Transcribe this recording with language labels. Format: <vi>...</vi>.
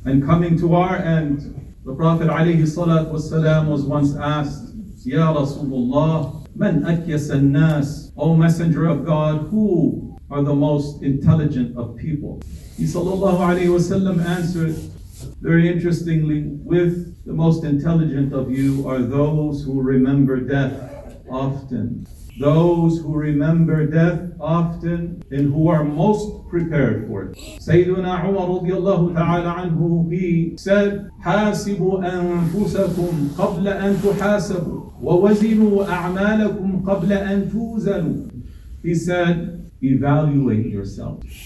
<en>And coming to our end, the Prophet alayhi salat wa salam was once asked,</en> <ar>Ya Rasulullah, man akyas an-nas,</ar> <en>O Messenger of God, who are the most intelligent of people? He sallallahu alayhi wa sallam answered, very interestingly, with the most intelligent of you are those who remember death often. Those who remember death often and who are most prepared for it. Sayyiduna Umar radiallahu ta'ala anhu, he said,</en> <ar>حَاسِبُوا أَنفُسَكُمْ قَبْلَ أَن تُحَاسَبُوا وَوَزِنُوا أَعْمَالَكُمْ قَبْلَ أَن تُوزَنُوا.</ar> <en>He said, evaluate yourself.</en>